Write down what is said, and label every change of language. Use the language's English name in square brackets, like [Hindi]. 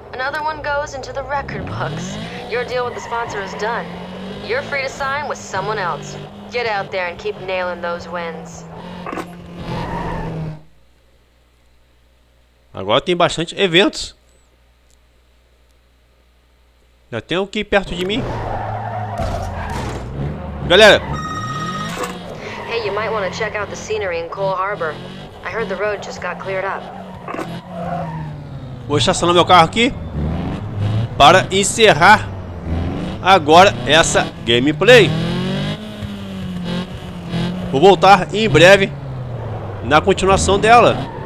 [English] Another one goes into the record books. Your deal with the sponsor is done. You're free to sign with someone else. Get out there and keep nailing those wins. [Portuguese] Agora tem bastante eventos. Já tem um aqui perto de mim. Galera. [English] Hey, you might want to check out the scenery in Cole Harbor. I heard the road just got cleared up. [Portuguese] Vou estacionar meu carro aqui para encerrar agora essa gameplay. Vou voltar em breve na continuação dela.